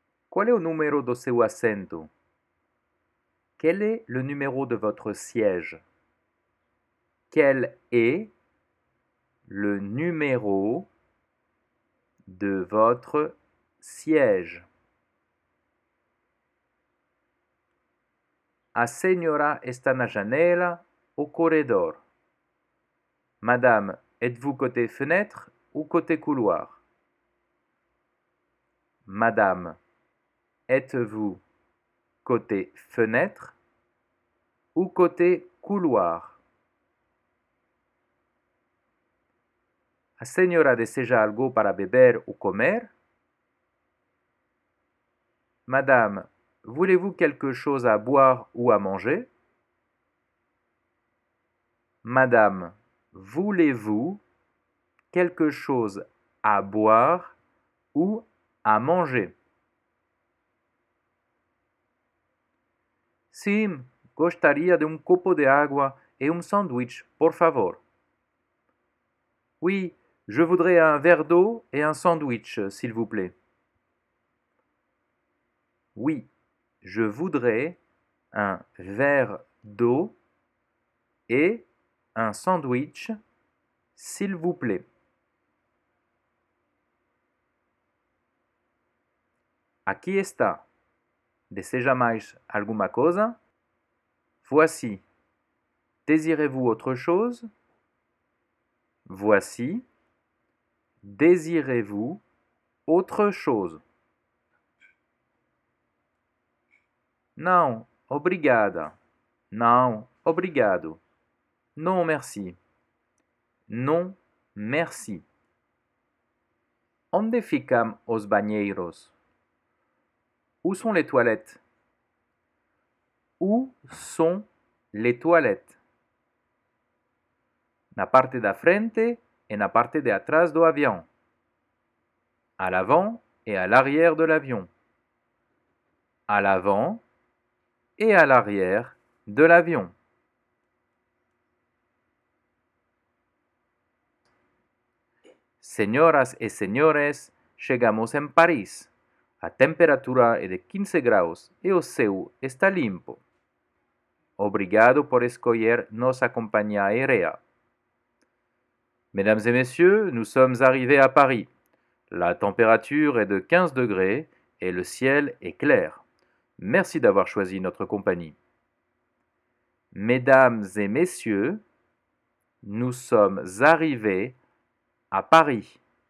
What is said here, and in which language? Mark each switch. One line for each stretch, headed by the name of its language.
Portuguese: Qual é o número do seu assento?
French: Quel est le numéro de votre siège? Quel est le numéro de votre siège?
Portuguese: A senhora está na janela ou corredor?
French: Madame, êtes-vous côté fenêtre ou côté couloir? Madame, êtes-vous côté fenêtre ou côté couloir?
Portuguese: A senhora deseja algo para beber ou comer?
French: Madame, voulez-vous quelque chose à boire ou à manger? Madame, voulez-vous quelque chose à boire ou à manger?
Portuguese: Sim, gostaria de um copo de água e um sanduíche, por favor.
French: Oui, je voudrais un verre d'eau et un sandwich, s'il vous plaît. Oui, je voudrais un verre d'eau et un sandwich, s'il vous plaît.
Portuguese: Aqui está. Deseja mais alguma coisa?
French: Voici. Désirez-vous autre chose? Voici. Désirez-vous autre chose?
Portuguese: Não, obrigada. Não, obrigado.
French: Non, merci. Non, merci.
Portuguese: Onde ficam os banheiros?
French: Où sont les toilettes? Où sont les toilettes?
Portuguese: Na parte da frente e na parte de atrás do avião.
French: À l'avant et à l'arrière de l'avion. À l'avant et à l'arrière de l'avion.
Portuguese: Señoras e señores, chegamos en París. A temperatura é de 15 graus e o céu está limpo. Obrigado por escolher nossa companhia aérea.
French: Mesdames et messieurs, nous sommes arrivés à Paris. La température est de 15 degrés et le ciel est clair. Merci d'avoir choisi notre compagnie. Mesdames et messieurs, nous sommes arrivés à Paris.